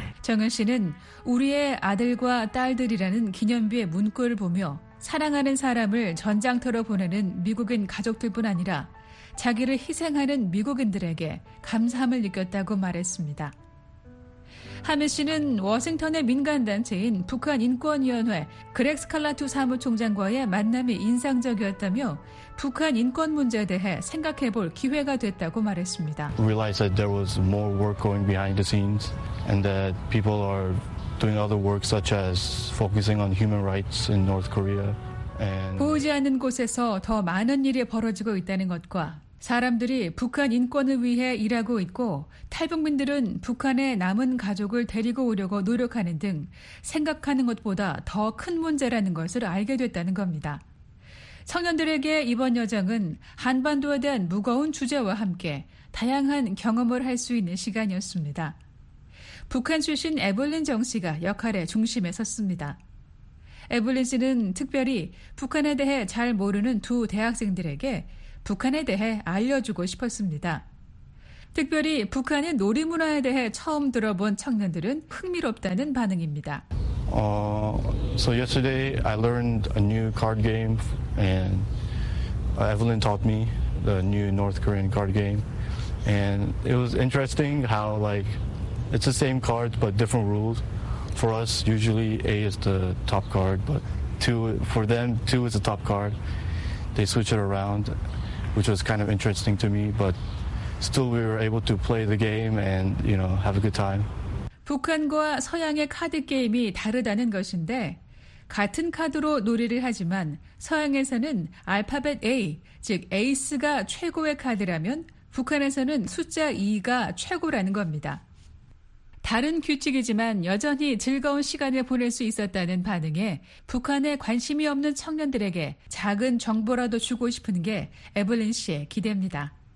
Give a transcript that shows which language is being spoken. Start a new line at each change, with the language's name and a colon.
Korean: 정은 씨는 우리의 아들과 딸들이라는 기념비의 문구를 보며 사랑하는 사람을 전장터로 보내는 미국인 가족들뿐 아니라 자기를 희생하는 미국인들에게 감사함을 느꼈다고 말했습니다. 하미 씨는 워싱턴의 민간단체인 북한인권위원회 그렉 스칼라투 사무총장과의 만남이 인상적이었다며 북한 인권 문제에 대해 생각해 볼 기회가 됐다고 말했습니다.
English: I realized that there was more work going behind the scenes and that people are doing other work such as focusing on human rights in North Korea.
Korean: 보이지 않는 곳에서 더 많은 일이 벌어지고 있다는 것과 사람들이 북한 인권을 위해 일하고 있고 탈북민들은 북한의 남은 가족을 데리고 오려고 노력하는 등 생각하는 것보다 더 큰 문제라는 것을 알게 됐다는 겁니다. 청년들에게 이번 여정은 한반도에 대한 무거운 주제와 함께 다양한 경험을 할 수 있는 시간이었습니다. 북한 출신 에블린 정 씨가 역할의 중심에 섰습니다. 에블린 씨는 특별히 북한에 대해 잘 모르는 두 대학생들에게 북한에 대해 알려주고 싶었습니다. 특별히 북한의 놀이문화에 대해 처음 들어본 청년들은 흥미롭다는 반응입니다.
English: So yesterday I learned a new card game and Evelyn taught me the new North Korean card game. And it was interesting how like it's the same cards but different rules. For us, usually A is the top card, but for them, 2 is the top card. They switch it around, which was kind of interesting to me, but still we were able to play the game and, you know, have a good time.
Korean: 북한과 서양의 카드 게임이 다르다는 것인데, 같은 카드로 놀이를 하지만 서양에서는 알파벳 A, 즉 에이스가 최고의 카드라면 북한에서는 숫자 2가 최고라는 겁니다. 다른 규칙이지만 여전히 즐거운 시간을 보낼 수 있었다는 반응에 북한에 관심이 없는 청년들에게 작은 정보라도 주고 싶은 게 에블린 씨의 기대입니다.